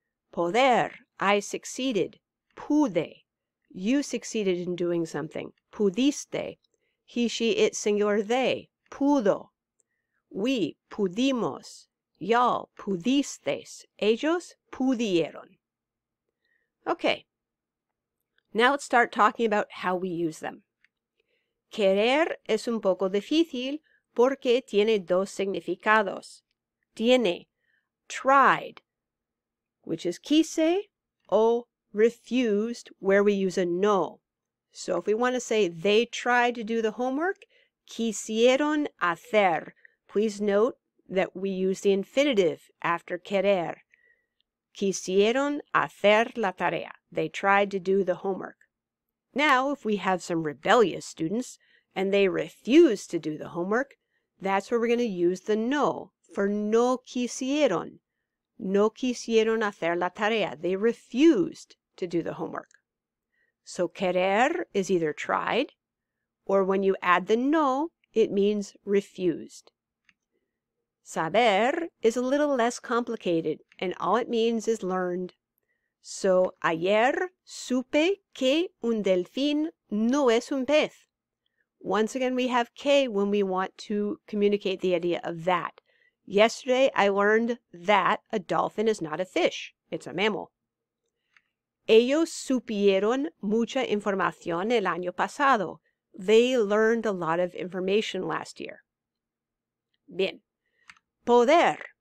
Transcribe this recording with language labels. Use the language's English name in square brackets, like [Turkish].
[English] Poder, I succeeded, [Spanish] pude. [English] You succeeded in doing something, [Spanish] pudiste. [English] He, she, it, singular, they, pudo. We, pudimos. Y'all, [Spanish] pudisteis. Ellos, pudieron. [English] Okay, now let's start talking about how we use them. [Spanish] Querer es un poco difícil porque tiene dos significados. Tiene, [English] tried, which is quise, o refused, where we use a no. So if we want to say they tried to do the homework, [Spanish] quisieron hacer. [English] Please note that we use the infinitive after querer. [Spanish] Quisieron hacer la tarea. [English] They tried to do the homework. Now, if we have some rebellious students and they refuse to do the homework, that's where we're going to use the no for [Spanish] no quisieron. No quisieron hacer la tarea. [English] They refused to do the homework. So querer is either tried, or when you add the no, it means refused. Saber is a little less complicated, and all it means is learned. So, [Spanish] ayer supe que un delfín no es un pez. [English] Once again, we have que when we want to communicate the idea of that. Yesterday, I learned that a dolphin is not a fish. It's a mammal. [Spanish] Ellos supieron mucha información el año pasado. [English] They learned a lot of information last year. [Spanish] Bien. [English] Poder.